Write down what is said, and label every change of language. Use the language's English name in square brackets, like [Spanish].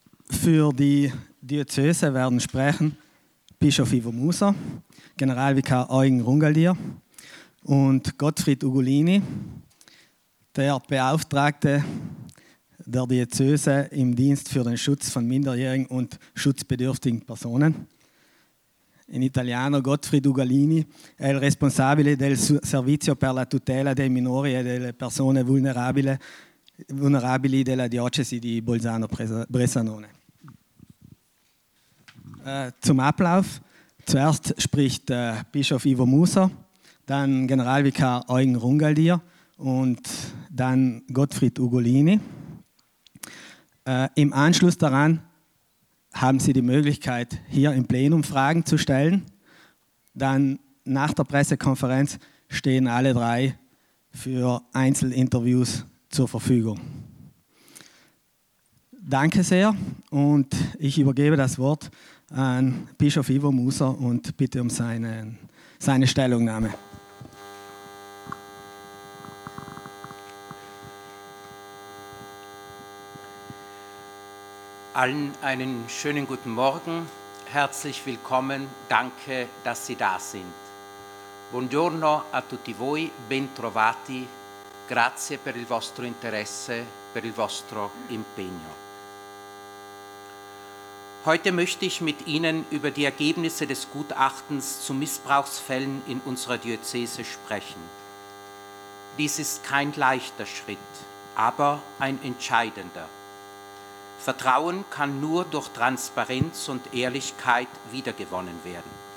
[German] Für die Diözese werden sprechen Bischof Ivo Muser, Generalvikar Eugen Rungaldier und Gottfried Ugolini, der Beauftragte der Diözese im Dienst für den Schutz von minderjährigen und schutzbedürftigen Personen. [Italian] In Italiano Gottfried Ugolini è il responsabile del servizio per la tutela dei minori e delle persone vulnerabili della diocesi di Bolzano-Bressanone. [German] Zum Ablauf. Zuerst spricht Bischof Ivo Muser, dann Generalvikar Eugen Rungaldier und dann Gottfried Ugolini. Im Anschluss daran haben Sie die Möglichkeit, hier im Plenum Fragen zu stellen. Dann nach der Pressekonferenz stehen alle drei für Einzelinterviews zur Verfügung. Danke sehr und ich übergebe das Wort an Bischof Ivo Muser und bitte um seine Stellungnahme. Allen einen schönen guten Morgen, herzlich willkommen, danke, dass Sie da sind. [Italian] Buongiorno a tutti voi, ben trovati, grazie per il vostro interesse, per il vostro impegno. [German] Heute möchte ich mit Ihnen über die Ergebnisse des Gutachtens zu Missbrauchsfällen in unserer Diözese sprechen. Dies ist kein leichter Schritt, aber ein entscheidender. Vertrauen kann nur durch Transparenz und Ehrlichkeit wiedergewonnen werden.